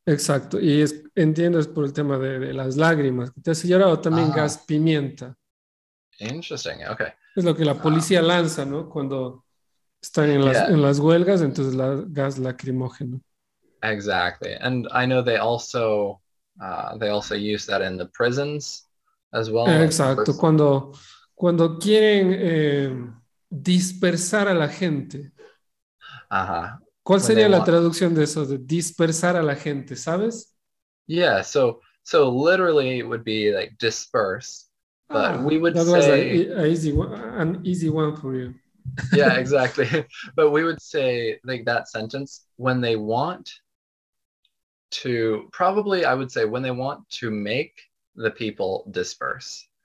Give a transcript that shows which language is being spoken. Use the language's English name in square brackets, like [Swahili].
[Spanish] Exacto. Y entiendes por el tema de las lágrimas. Te has llorado también gas pimienta. [English] Interesting, okay. [Spanish] Es lo que la policía lanza, ¿no? Cuando están en las huelgas, entonces gas lacrimógeno. [English] Exactly. And I know they also... they also use that in the prisons as well. [Spanish] Exacto, cuando quieren dispersar a la gente. Ajá. ¿Cuál sería la traducción de eso, de dispersar a la gente, sabes? [English] Yeah, so literally it would be like disperse, but we would say... That was an easy one for you. Yeah, exactly. But we would say like that sentence, when they want... to probably, I would say, when they want to make the people disperse.